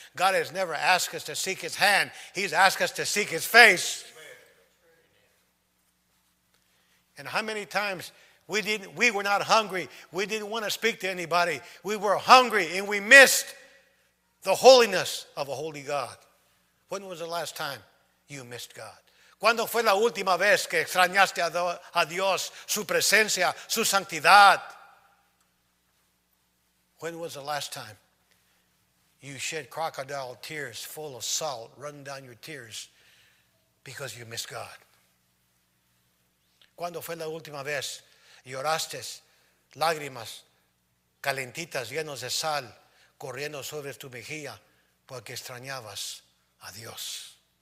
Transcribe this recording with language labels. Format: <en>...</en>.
<en>God has never asked us to seek his hand. He's asked us to seek his face. And how many times we were not hungry. We didn't want to speak to anybody. We were hungry and we missed the holiness of a holy God. When was the last time you missed God?</en> <es>¿Cuándo fue la última vez que extrañaste a Dios, su presencia, su santidad?</es> <en>When was the last time you shed crocodile tears full of salt running down your tears because you missed God?</en> <es>¿Cuándo fue la última vez lloraste lágrimas calentitas llenos de sal corriendo sobre tu mejilla porque extrañabas adiós?</es>